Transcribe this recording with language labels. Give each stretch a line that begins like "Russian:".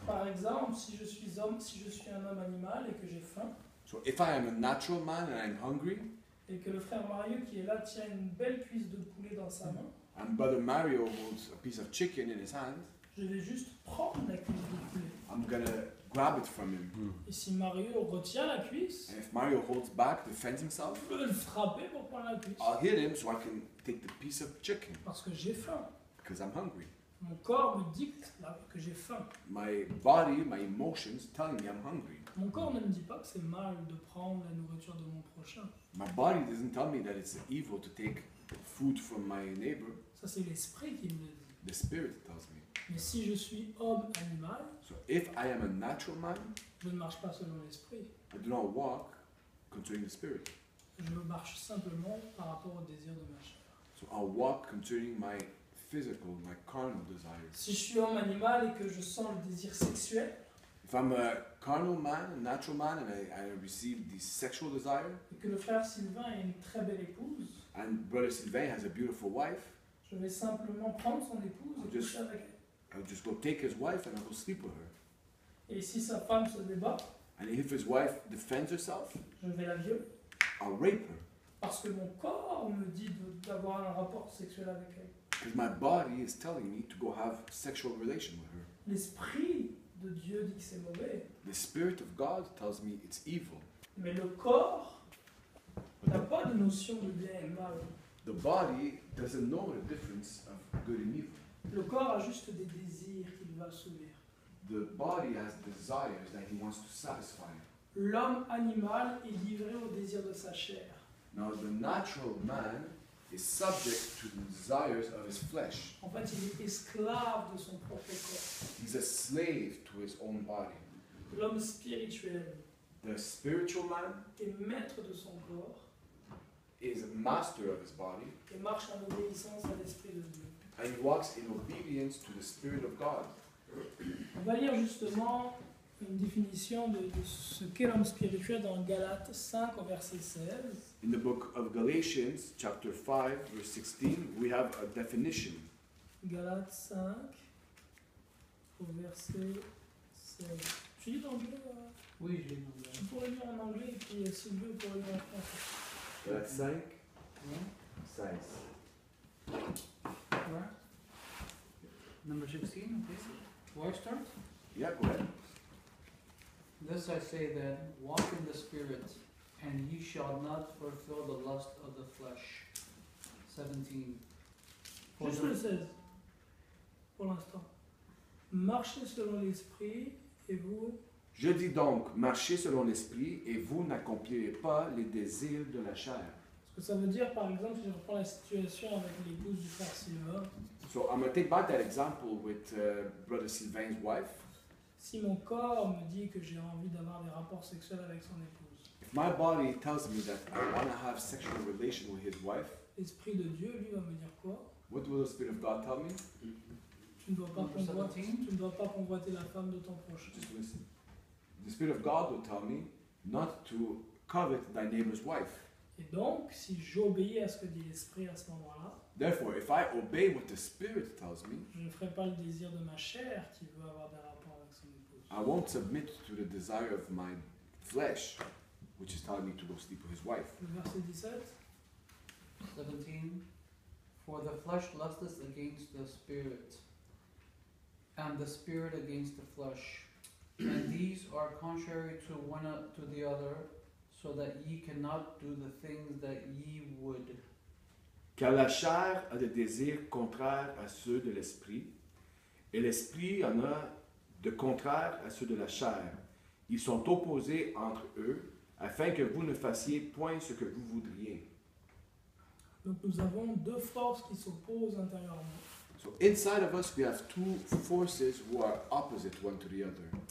French: Par exemple, si je suis homme, si je suis un homme animal et que j'ai faim.
English: So if I am a natural man and I'm hungry.
French: Et que le frère Mario qui est là tient une belle cuisse de poulet dans sa main.
English: And brother Mario holds a piece of chicken in his hand.
French: Je vais juste prendre la cuisse de poulet.
English: I'm gonna grab it from him.
French: Et si Mario retient la cuisse?
English: And if Mario holds back, defends himself.
French: Je vais le frapper pour prendre la cuisse.
English: I'll hit him so I can take the piece of chicken.
French: Parce que j'ai faim.
English: Because I'm hungry.
French: Mon corps me dicte là que j'ai faim.
English: My body, my emotions telling me I'm hungry.
French: Mon corps ne me dit pas que c'est mal de prendre la nourriture de mon prochain.
English: My body doesn't tell me that it's evil to take food from my neighbor.
French: Ça c'est l'esprit qui me le dit.
English: The spirit tells me.
French: Mais si je suis homme animal,
English: so if I am a natural man,
French: je ne marche pas selon l'esprit.
English: I do not walk concerning the spirit.
French: Je marche simplement par rapport au désir de ma chair.
English: So I walk concerning my physical, my carnal desires.
French: Si je suis homme animal et que je sens le désir sexuel,
English: if I'm a carnal man, a natural man, and I receive this sexual desire,
French: et que le frère Sylvain a une très belle épouse,
English: and brother Sylvain has a beautiful wife,
French: je vais simplement prendre son épouse et coucher avec elle.
English: I'll just go take his wife and I'll go sleep with her.
French: Et si sa femme se débat,
English: and if his wife defends herself,
French: je vais la violer.
English: I'll rape her.
French: Parce que mon corps me dit d'avoir un rapport sexuel avec elle.
English: Because my body is telling me to go have sexual relation with her.
French: L'esprit de Dieu dit que c'est mauvais.
English: The spirit of God tells me it's evil.
French: Mais le corps n'a pas de notion de bien et mal.
English: The body doesn't know the difference of good and evil.
French: Le corps a juste des désirs qu'il va assouvir.
English: The body has desires that he wants to satisfy.
French: L'homme animal est livré au désir de sa chair.
English: Now the natural man is subject to the desires of his flesh.
French: En fait, il est esclave de son propre corps.
English: He's a slave to his own body.
French: L'homme spirituel,
English: the spiritual man,
French: est maître de son corps,
English: is a master of his body,
French: et marche en obéissance à l'Esprit de Dieu.
English: And he walks in obedience to the Spirit of God.
French: On va lire justement une définition de ce qu'est l'homme spirituel dans Galates 5 au verset 16.
English: In the book of Galatians, chapter 5, verse 16, we have a definition.
French: Galates 5, au verset 16. Tu lis en anglais, Oui, je lis en anglais. Tu pourrais lire en anglais et puis si tu veux, pourrais lire en français. Galates 5, 16.
English: Number 16, please. Do I start? Yeah, go ahead. This I say then, walk in the Spirit, and ye shall not fulfill the lust of the flesh. 17.
French: For juste le 16, pour l'instant. Marchez selon l'Esprit, et vous... Je dis donc, marchez selon l'Esprit, et vous n'accomplirez pas les désirs de la chair. Ce que ça veut dire, par exemple, si je reprends la situation avec l'épouse du frère Sylvain.
English: So I'm going to take back that example with brother Sylvain's wife.
French: Si mon corps me dit que j'ai envie d'avoir des rapports sexuels avec son épouse,
English: my body tells me that I want to have sexual relation with his wife.
French: L'esprit de Dieu lui va me dire quoi?
English: What will the spirit of God tell me?
French: Tu ne dois pas convoiter. Tu ne dois pas convoiter la femme de ton prochain.
English: Just listen. The spirit of God will tell me not to covet thy neighbor's wife.
French: Et donc, si j'obéis à ce que dit l'esprit à ce moment-là,
English: therefore, if I obey what the spirit tells me,
French: je ne ferai pas le désir de ma chair qui veut avoir des rapports avec son épouse.
English: I won't submit to the desire of my flesh, which is telling me to go sleep with his wife.
French: Verset 17. 17.
English: For the flesh lusteth against the spirit, and the spirit against the flesh. And these are contrary to one to the other, so that ye cannot do the things that ye would.
French: Car la chair a des désirs contraires à ceux de l'esprit, et l'esprit en a de contraires à ceux de la chair. Ils sont opposés entre eux, afin que vous ne fassiez point ce que vous voudriez. Donc nous avons deux forces qui s'opposent intérieurement.
English: So inside of us we have two forces who are opposite one to the other.